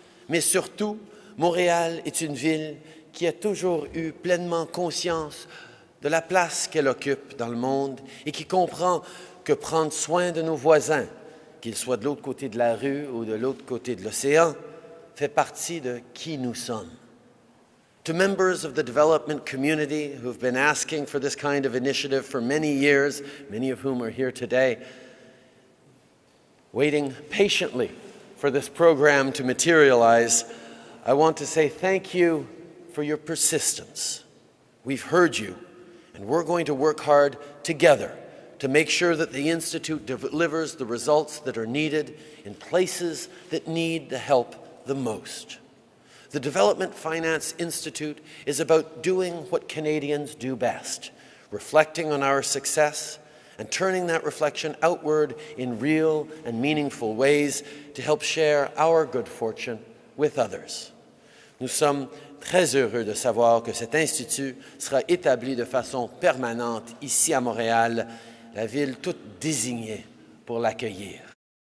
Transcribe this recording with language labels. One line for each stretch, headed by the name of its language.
French: Mais surtout, Montréal est une ville qui a toujours eu pleinement conscience de la place qu'elle occupe dans le monde et qui comprend que prendre soin de nos voisins, qu'ils soient de l'autre côté de la rue ou de l'autre côté de l'océan, fait partie de qui nous sommes.
English: To members of the development community who've been asking for this kind of initiative for many years, many of whom are here today, waiting patiently for this program to materialize, I want to say thank you for your persistence. We've heard you, and we're going to work hard together to make sure that the Institute delivers the results that are needed in places that need the help the most. The Development Finance Institute is about doing what Canadians do best, reflecting on our success and turning that reflection outward in real and meaningful ways to help share our good fortune with others.
French: Nous sommes très heureux de savoir que cet institut sera établi de façon permanente ici à Montréal, la ville toute désignée pour l'accueillir.